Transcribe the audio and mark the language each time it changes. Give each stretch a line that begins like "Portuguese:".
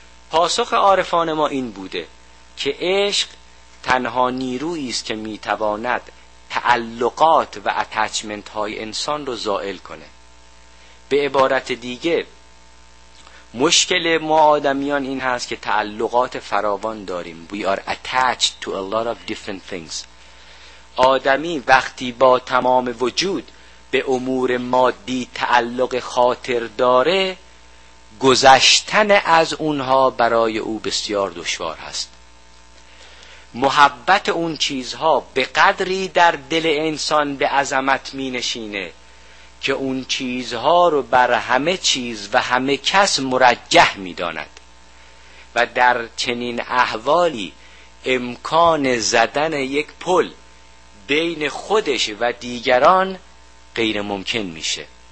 Persian: پاسخ عارفان ما این بوده که عشق تنها نیرویی است که میتواند تعلقات و اتچمنت های انسان رو زائل کنه. به عبارت دیگه مشکل ما آدمیان این هست که تعلقات فراوان داریم.
English: We are attached to a lot of different things.
Persian: آدمی وقتی با تمام وجود به امور مادی تعلق خاطر داره، گذشتن از اونها برای او بسیار دشوار هست. محبت اون چیزها به قدری در دل انسان به عظمت می نشینه که اون چیزها رو بر همه چیز و همه کس مرجح می داند و در چنین احوالی امکان زدن یک پل بین خودش و دیگران غیر ممکن می شه.